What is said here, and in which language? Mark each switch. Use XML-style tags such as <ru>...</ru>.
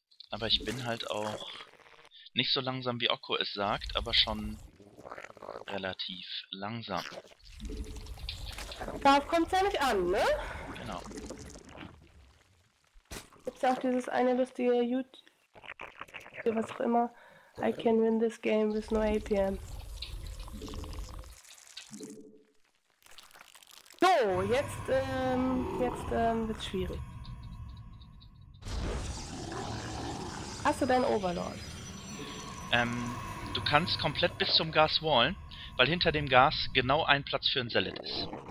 <de>Aber ich bin halt auch nicht so langsam, wie Okko es sagt, aber schon relativ langsam. Darauf kommt's ja nicht an, ne? Genau. Gibt's ja auch dieses eine lustige YouTube, was auch immer.</de> <en>I can win this game with no APM.</en> <de>So, jetzt wird's schwierig. Hast du deinen Overlord? Du kannst komplett bis zum Gas wallen, weil hinter dem Gas genau ein Platz für einen Zealot ist.</de>